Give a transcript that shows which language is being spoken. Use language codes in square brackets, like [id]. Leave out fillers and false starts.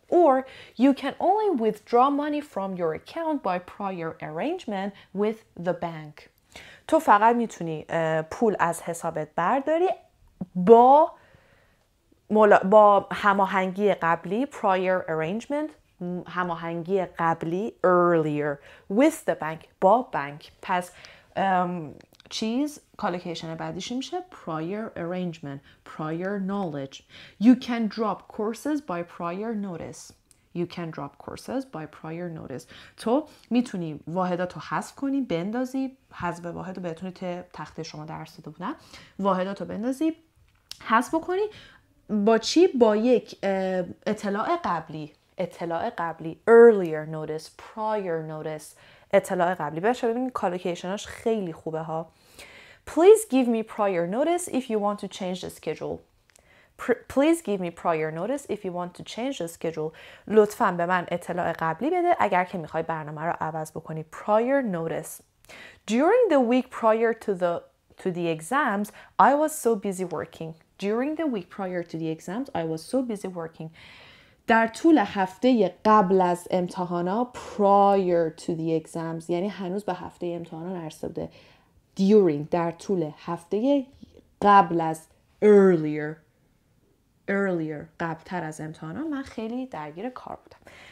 [en] Or you can only withdraw money from your account by prior arrangement with the bank. [fa] تو فقط میتونی پول از حسابت برداری با هماهنگی قبلی، [en] prior arrangement، [fa] هماهنگی قبلی، earlier، [en] with the bank، [fa] با بانک. پس چیز کالکیشن بعدیش میشه [en] prior arrangement، prior knowledge. You can drop courses by prior notice. You can drop courses by prior notice. [fa] تو میتونی واحداتو حذف کنی، بندازی، حذف واحدو بهتونی ته تخته شما درس داده بودن، واحداتو بندازی، حذف بکنی، با چی؟ با یک اطلاع قبلی. اطلاع قبلی، [en] earlier notice، prior notice، [fa] اطلاع قبلی. باشه ببینید کالوکیشنش خیلی خوبه ها. [en] Please give me prior notice if you want to change the schedule. Please give me prior notice if you want to change the schedule. [fa] لطفا به من اطلاع قبلی بده اگر که میخوای برنامه رو عوض بکنی. [en] Prior notice. During the week prior to the exams, I was so busy working. During the week prior to the exams, I was so busy working. [fa] در طول هفته قبل از امتحانا، [en] prior to the exams، [fa] یعنی هنوز به هفته امتحانا نرسیده بوده. During، در طول هفته قبل از، [en] earlier، earlier، [fa] قبلتر از امتحانا، من خیلی درگیر کار بودم.